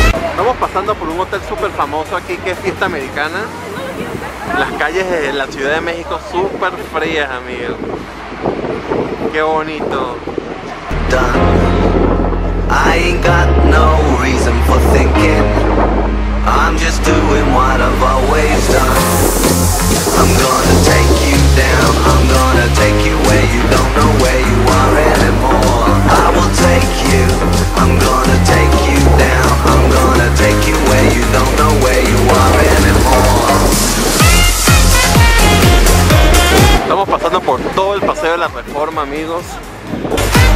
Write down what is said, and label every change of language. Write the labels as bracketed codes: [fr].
[es] Estamos pasando por un hotel súper famoso aquí, que es Fiesta Americana. Las calles de la Ciudad de México súper frías, amigo. Qué bonito. [en] Done. I ain't got no reason for thinking. I'm just doing what I've always done. I'm gonna take you down. I'm gonna take you where you don't know where you are anymore. I will take you. I'm gonna take you down. I'm gonna take you where you don't know where you are anymore. [es] Estamos pasando por todo el Paseo de la Reforma, amigos. Música.